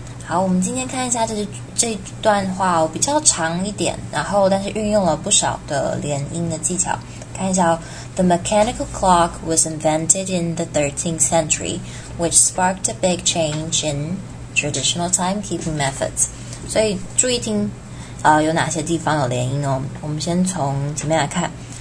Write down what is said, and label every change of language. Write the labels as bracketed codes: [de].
[zh] 好，我们今天看一下这段话，哦，比较长一点，然后但是运用了不少的连音的技巧。看一下，哦， [en] The mechanical clock was invented in the 13th century, which sparked a big change in traditional timekeeping methods. [zh] 所以注意听，有哪些地方有连音哦。我们先从前面来看。